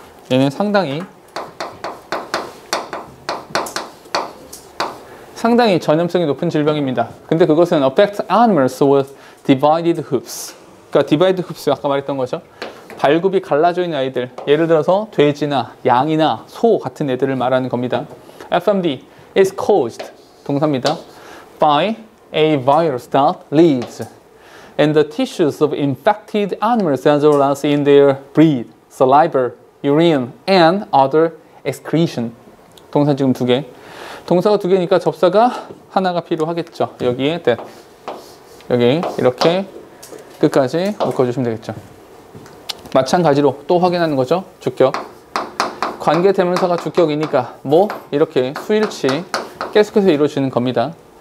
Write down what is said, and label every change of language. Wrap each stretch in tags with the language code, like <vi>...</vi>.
<ko>얘는 상당히 상당히 전염성이 높은 질병입니다. 근데 그것은</ko> <en>affects animals with divided hooves.</en> <ko>그러니까</ko> <en>divided hooves</en> <ko>아까 말했던 거죠. 발굽이 갈라져 있는 아이들. 예를 들어서 돼지나 양이나 소 같은 애들을 말하는 겁니다.</ko> <en>FMD is caused</en> <ko>동사입니다.</ko> <en>By a virus that lives in the tissues of infected animals as well as in their breed, saliva, urine, and other excretion.</en> <ko>동사 지금 두 개. 동사가 두 개니까 접사가 하나가 필요하겠죠. 여기에 that. 여기 이렇게 끝까지 묶어주시면 되겠죠. 마찬가지로 또 확인하는 거죠. 주격. 관계대명사가 주격이니까 뭐 이렇게 수일치 계속해서 이루어지는 겁니다.</ko>